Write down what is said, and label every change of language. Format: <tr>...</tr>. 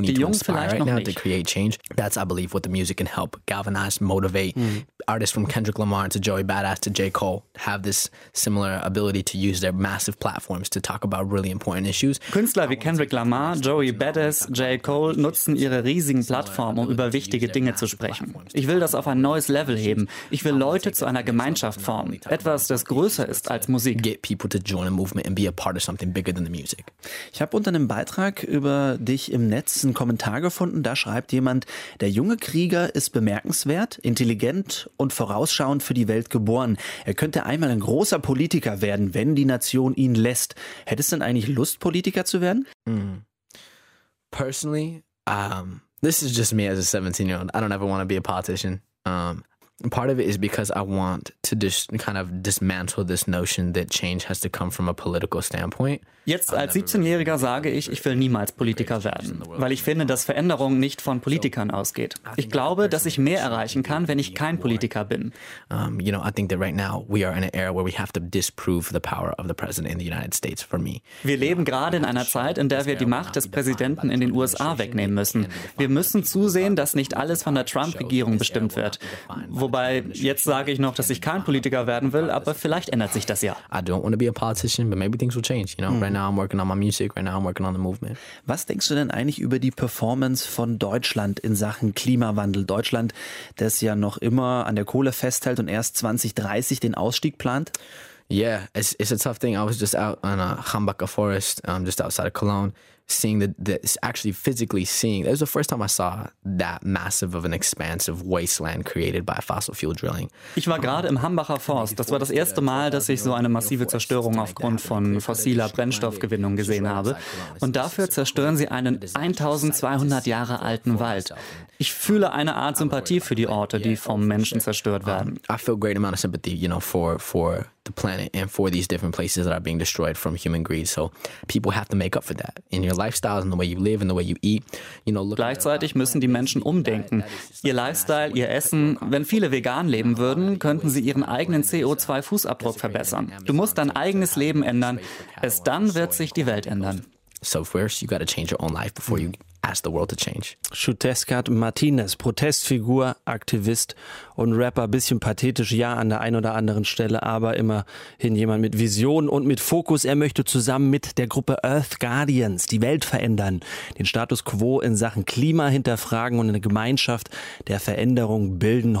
<de>Die Jungen vielleicht noch nicht.</de> <en>That's, I believe, what the music can help galvanize, motivate. Artists from Kendrick Lamar to Joey Badass to J. Cole have this similar ability to use their massive platforms to talk about really important issues.</en> <de>Künstler wie Kendrick Lamar, Joey Badass, J. Cole nutzen ihre riesigen Plattformen, um über wichtige Dinge zu sprechen. Ich will das auf ein neues Level heben. Ich will Leute zu einer Gemeinschaft formen. Etwas, das größer ist als Musik.</de> <en>Get people to join a movement and be a part of something bigger than the music.</en> <de>Ich habe unter einem Beitrag über dich im Netz einen Kommentar gefunden. Da schreibt jemand, der junge Krieger ist bemerkenswert, intelligent und vorausschauend für die Welt geboren. Er könnte einmal ein großer Politiker werden, wenn die Nation ihn lässt. Hättest du denn eigentlich Lust, Politiker zu werden?</de> <en>Personally, this is just me as a 17-year-old. I don't ever want to be a politician. Part of it is because I want to dismantle this notion that change has to come from a political standpoint.</en> <de>Jetzt als 17-Jähriger sage ich, ich will niemals Politiker werden, weil ich finde, dass Veränderung nicht von Politikern ausgeht. Ich glaube, dass ich mehr erreichen kann, wenn ich kein Politiker bin.</de> <en>You know, I think that right now we are in an era where we have to disprove the power of the president in the United States for me.</en> <de>Wir leben gerade in einer Zeit, in der wir die Macht des Präsidenten in den USA wegnehmen müssen. Wir müssen zusehen, dass nicht alles von der Trump-Regierung bestimmt wird. Wobei, jetzt sage ich noch, dass ich kein Politiker werden will, aber vielleicht ändert sich das ja.</de> <en>I don't want to be a politician, but maybe things will change, you know? Right now I'm working on my music, right now I'm working on the movement.</en> <de>Was denkst du denn eigentlich über die Performance von Deutschland in Sachen Klimawandel? Deutschland, das ja noch immer an der Kohle festhält und erst 2030 den Ausstieg plant?</de> <en>Yeah, it's a tough thing. I was just out in a Jambaca forest, just outside of Cologne, seeing physically seeing, it was the first time I saw that massive of an expanse of wasteland created by fossil fuel drilling.</en> <de>Ich war gerade im Hambacher Forst. Das war das erste Mal, dass ich so eine massive Zerstörung aufgrund von fossiler Brennstoffgewinnung gesehen habe. Und dafür zerstören sie einen 1200 Jahre alten Wald. Ich fühle eine Art Sympathie für die Orte, die vom Menschen zerstört werden.</de> <en>I feel a great amount of sympathy, you know, for the planet and for these different places that are being destroyed from human greed. So people have to make up for that in your lifestyles and the way you live and the way you eat. You know, look.</en> <de>Gleichzeitig müssen die Menschen umdenken. Ihr Lifestyle, ihr Essen. Wenn viele vegan leben würden, könnten sie ihren eigenen CO2-Fußabdruck verbessern. Du musst dein eigenes Leben ändern. Erst dann wird sich die Welt ändern.</de> <en>So first, you got to change your own life before you ask the world to change.</en> <de>Shuteskat Martinez, Protestfigur, Aktivist und Rapper. Bisschen pathetisch, ja, an der einen oder anderen Stelle, aber immerhin jemand mit Vision und mit Fokus. Er möchte zusammen mit der Gruppe Earth Guardians die Welt verändern, den Status quo in Sachen Klima hinterfragen und eine Gemeinschaft der Veränderung bilden.</de>